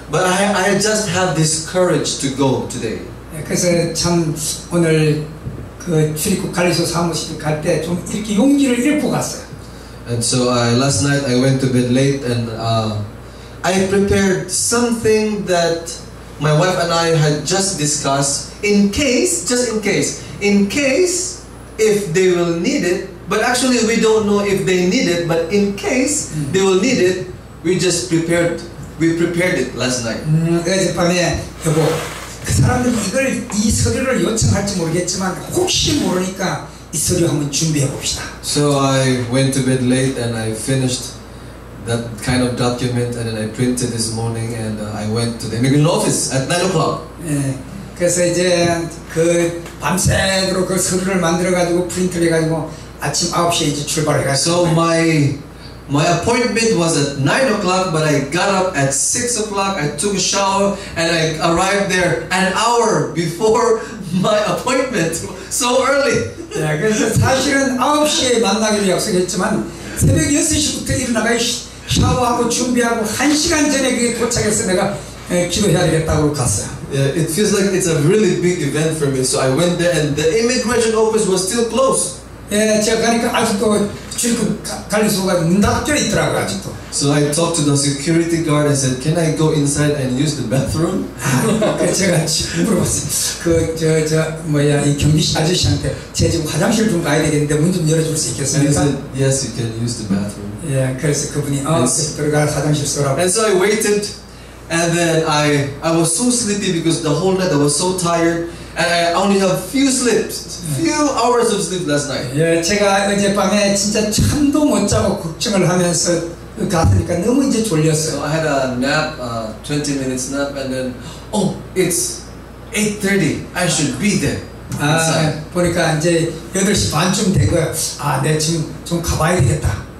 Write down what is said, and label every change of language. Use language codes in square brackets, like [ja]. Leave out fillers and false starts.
[en] But I just have this courage to go today. [ko] 그래서 참 오늘 그 출입국 관리소 사무실 갈 때 좀 이렇게 용기를 잃고 갔어요. [en] And so last night I went to bed late, and I prepared something that my wife and I had just discussed in case if they will need it. But actually we don't know if they need it, but in case they will need it, we prepared it last night. [ko] 어젯밤에 여보, 그 사람들이 이걸 이 서류를 요청할지 모르겠지만 혹시 모르니까 이 서류 한번 준비해 봅시다. [en] So I went to bed late and I finished that kind of document, and then I printed this morning, and I went to the immigration office at 9 o'clock. [ko] 예, 그래서 이제 그 밤새도록 그 서류를 만들어 가지고 프린트를 해 가지고 아침 9시에 이제 출발을 해. [en] So my appointment was at 9 o'clock, but I got up at 6 o'clock. I took a shower and I arrived there an hour before my appointment. So early. [ko] 네, 그래서 사실은 9시에 만나기로 약속했지만 새벽 6시부터 일어나가 샤워하고 준비하고 1시간 전에 그 도착해서 내가 기도해야 되겠다고 갔어요. [en] Yeah, it feels like it's a really big event for me. So I went there and the immigration office was still closed. [ko] 예, 네, 제가 가니까 아직도 출국 관리소가 문 닫혀 있더라고 아직도. [en] So I talked to the security guard and said, "Can I go inside and use the bathroom?" [ko] 제가 물어봤어요. 이 경비실 아저씨한테 제 지금 화장실 좀 가야 되겠는데 문 좀 열어줄 수 있겠습니까? [en] He said, "Yes, you can use the bathroom." [ko] 예, yeah, 그래서 그분이 들어가 화장실 쓰라고. [en] And so I waited, and then I was so sleepy because the whole night I was so tired. And I only have few hours of sleep last night. [ko] 예, 제가 어젯밤에 진짜 잠도 못 자고 걱정을 하면서 갔으니까 너무 이제 졸렸어요. [en] So I had a nap, 20 minutes nap, and then, oh, it's 8:30. I should be there. [ko] 아, 보니까 이제 8시 반쯤 되고요. 아, 내 지금 좀 가봐야 되겠다.